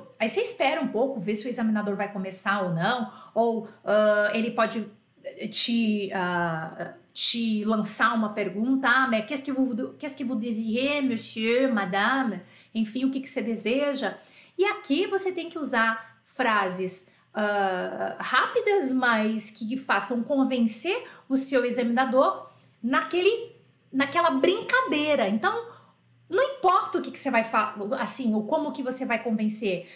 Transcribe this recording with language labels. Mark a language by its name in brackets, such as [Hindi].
[Portuguese] Aí você espera um pouco, ver se o examinador vai começar ou não. Ou ele pode te lançar uma pergunta. [French] Ah, mas qu'est-ce que vous désirez, monsieur, madame? [Portuguese] Enfim, o que você deseja? E aqui você tem que usar frases rápidas, mas que façam convencer o seu examinador naquela brincadeira. Então, não importa o que você vai falar, assim, ou como que você vai convencer.